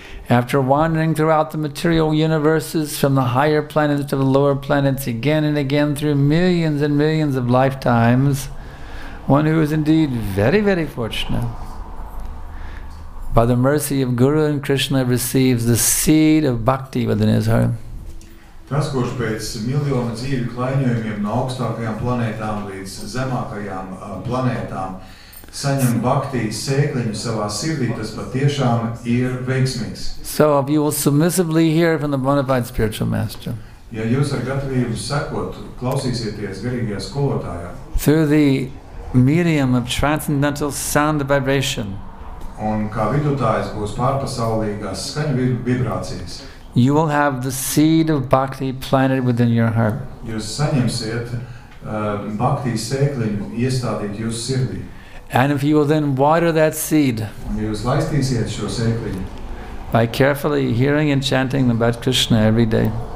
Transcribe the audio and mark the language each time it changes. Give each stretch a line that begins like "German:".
English: After wandering throughout the material universes from the higher planets to the lower planets again and again through millions and millions of lifetimes, one who is indeed very, very fortunate by the mercy of Guru and Krishna receives the seed of bhakti within his heart.
Latvian: Tas, kurš pēc miljonu dzīvi klaiņojumiem no augstākajām planētām līdz zemākajām planētām saņem bhakti sēkliņu savā sirdī, tas patiešām ir veiksmīgs.
English: So if you will submissively hear from the bona fide spiritual master.
Latvian: Ja jūs ar gatavību sekot, klausīsieties garīgajā skolotājā.
English: Through the medium of transcendental sound vibration.
Latvian: Un kā vidutājs būs pārpasaulīgās skaņu vibrācijas.
English: You will have the seed of bhakti planted within your heart.
Latvian: Jūs saņemsiet bhakti sēkliņu iestādīt jūsu sirdī.
English: And if you will then water that seed.
Latvian: Un jūs laistīsiet šo sēkliņu.
English: By carefully hearing and chanting the Bhakti Krishna every day.